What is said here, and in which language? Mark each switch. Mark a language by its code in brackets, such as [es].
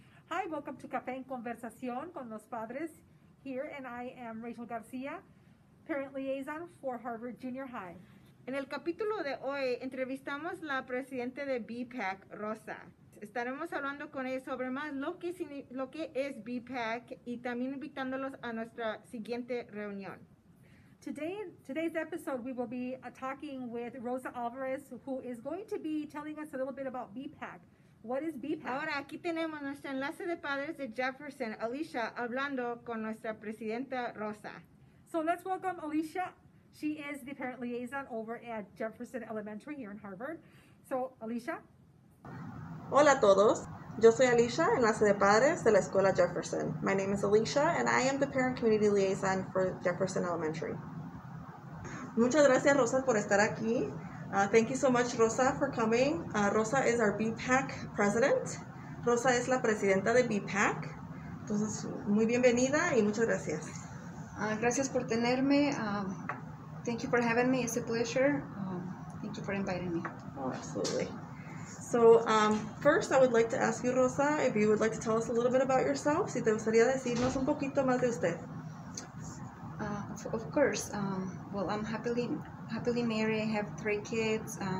[en] Hi, welcome to Café en Conversación con los Padres here, and I am Rachel Garcia, parent liaison for Harvard Junior High. [es] En el capítulo de hoy, entrevistamos la presidenta de BPAC, Rosa. Estaremos hablando con ella sobre más lo que es BPAC y también invitándolos a nuestra siguiente reunión. [en] Today's episode, we will be talking with Rosa Alvarez, who is going to be telling us a little bit about BPAC. What is BPAC? [es] Ahora, aquí tenemos nuestro enlace de padres de Jefferson, Alicia, hablando con nuestra presidenta, Rosa. [en] So let's welcome Alicia. She is the parent liaison over at Jefferson Elementary here in Harvard. So, Alicia. [es] Hola a todos. Yo soy Alicia, enlace de padres de la escuela Jefferson. [en] My name is Alicia, and I am the parent community liaison for Jefferson Elementary. [es] Muchas gracias, Rosa, por estar aquí. [en] Thank you so much, Rosa, for coming. Rosa is our BPAC president. [es] Rosa es la presidenta de BPAC. Entonces, muy bienvenida y muchas gracias. Gracias por tenerme. [en] Thank you for having me. It's a pleasure. Thank you for inviting me. Oh, absolutely. So first, I would like to ask you, Rosa, if you would like to tell us a little bit about yourself. [es] Si te gustaría decirnos un poquito más de usted. [en] Of course. Well, I'm happily married. I have three kids.